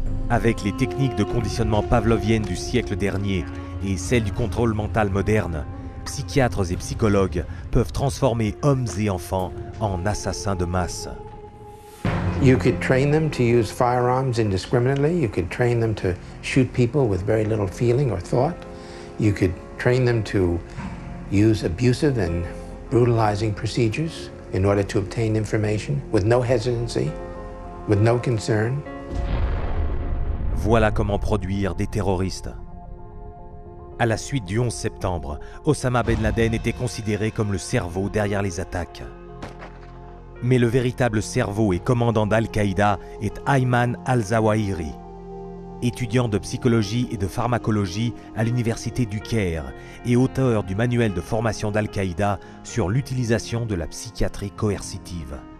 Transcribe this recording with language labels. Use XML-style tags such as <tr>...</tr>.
<fr>Avec les techniques de conditionnement pavloviennes du siècle dernier et celles du contrôle mental moderne, psychiatres et psychologues peuvent transformer hommes et enfants en assassins de masse.</fr> <en>You could train them to use firearms indiscriminately. You could train them to shoot people with very little feeling or thought. You could train them to use abusive and brutalizing procedures in order to obtain information with no hesitancy, with no concern.</en> <fr>Voilà comment produire des terroristes. À la suite du 11 septembre, Osama Ben Laden était considéré comme le cerveau derrière les attaques. Mais le véritable cerveau et commandant d'Al-Qaïda est Ayman al-Zawahiri, étudiant de psychologie et de pharmacologie à l'université du Caire et auteur du manuel de formation d'Al-Qaïda sur l'utilisation de la psychiatrie coercitive.</fr>